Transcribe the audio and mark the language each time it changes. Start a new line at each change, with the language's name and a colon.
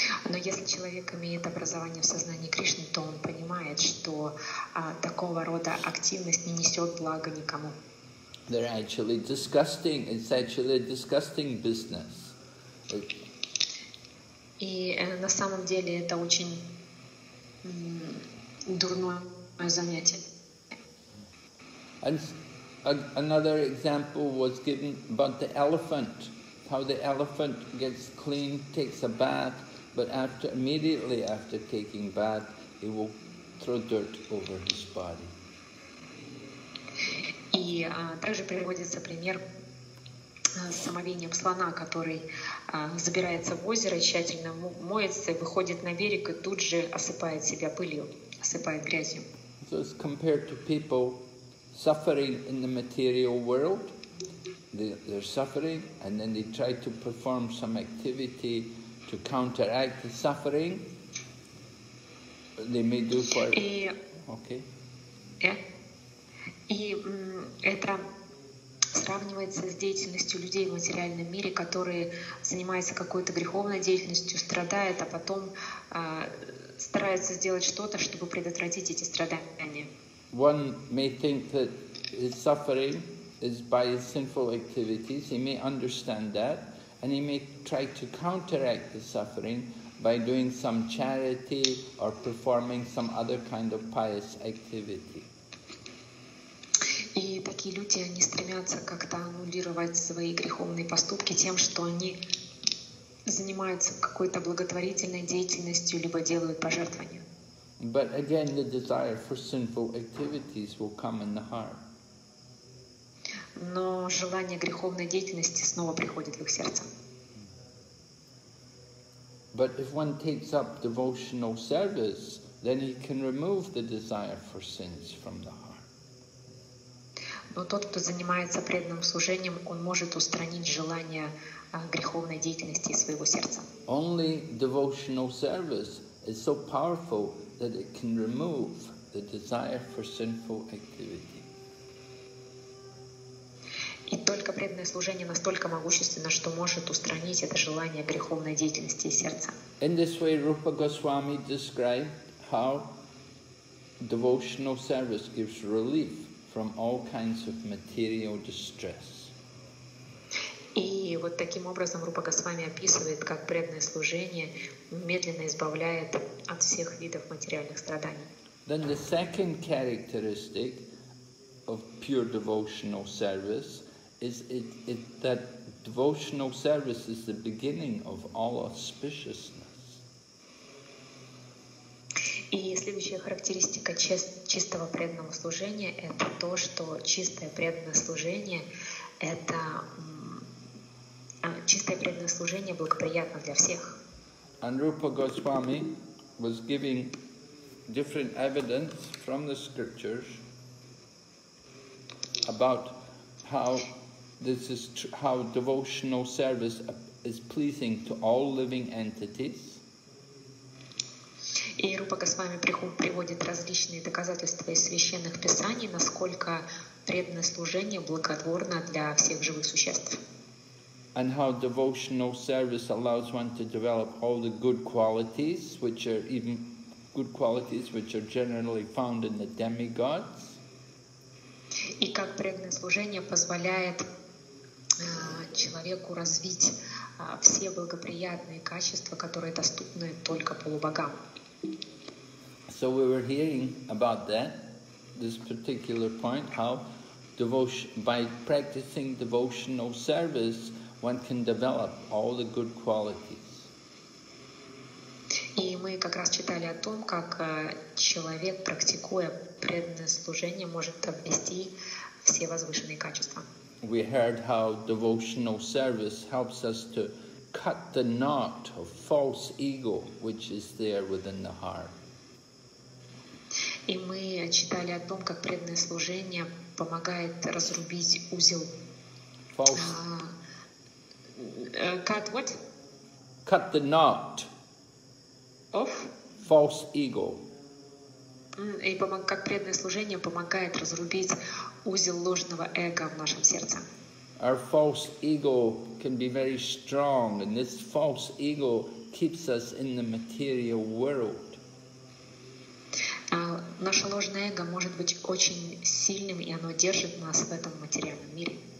Russian: Но если человек имеет образование в сознании Кришны, то он понимает, что такого рода активность не несет блага никому.
English: They're actually disgusting. It's actually a disgusting business.
Russian: И на самом деле это очень дурное занятие.
English: And another example was given about the elephant, how the elephant gets clean, takes a bath. But after, immediately after taking bath, he will throw dirt over his body.
Russian: И также приводится пример с омовением слона, который забирается в озеро, тщательно моется, выходит на берег и тут же осыпает себя пылью, осыпает грязью.
English: So it's compared to people suffering in the material world. They're suffering and then they try to perform some activity to counteract the suffering, they may do for it. Okay.
Russian: И это сравнивается с деятельностью людей в материальном мире, которые занимаются какой-то греховной деятельностью, страдают, а потом стараются сделать что-то, чтобы предотвратить эти страдания.
English: One may think that his suffering is by his sinful activities. He may understand that. And he may try to counteract the suffering by doing some charity or performing some other kind of pious activity.
Russian: И такие люди, они стремятся как-то аннулировать свои греховные поступки тем, что они занимаются какой-то благотворительной деятельностью либо делают пожертвования.
English: But again, the desire for sinful activities will come in the heart.
Russian: Но желание греховной деятельности снова приходит в их сердце.
English: But if one takes up devotional service, then he can remove the desire for sins from the heart.
Russian: Но тот, кто занимается преданным служением, он может устранить желание греховной деятельности из своего сердца.
English: Only devotional service is so powerful that it can remove the desire for sinful activity.
Russian: И только преданное служение настолько могущественно, что может устранить это желание греховной деятельности из сердца.
English: In this way, Rupa Goswami described how devotional service gives relief from all kinds of material distress.
Russian: И вот таким образом Рупа Госвами описывает, как преданное служение медленно избавляет от всех видов материальных страданий.
English: Then the second characteristic of pure devotional service is it that devotional service is the beginning of all auspiciousness.
Russian: И следующая характеристика чистого преданного служения — это то, что чистое преданное служение — это чистое преданное служение благоприятно для всех.
English: And Rupa Goswami was giving different evidence from the scriptures about how this is how devotional service is pleasing to all living entities.
Russian: И Рупа Госвами приводит различные доказательства из священных писаний, насколько преданное служение благотворно для всех живых существ.
English: And how devotional service allows one to develop all the good qualities, which are even good qualities which are generally found in the demigods.
Russian: И как преданное служение позволяет человеку развить все благоприятные качества, которые доступны только полубогам.
English: So we were hearing about that, this particular point, how devotion, by practicing devotional service, one can develop all the good qualities.
Russian: И мы как раз читали о том, как человек, практикуя преданное служение, может обрести все возвышенные качества.
English: We heard how devotional service helps us to cut the knot of false ego, which is there within the heart.
Russian: И мы читали о том, как преданное служение помогает разрубить узел.
English: Cut what? Cut the knot. Of? False ego.
Russian: И как преданное служение помогает разрубить узел ложного эго в нашем сердце.
English: Our false ego can be very strong, and this false ego keeps us in the material world.
Russian: Наше ложное эго может быть очень сильным, и оно держит нас в этом материальном мире.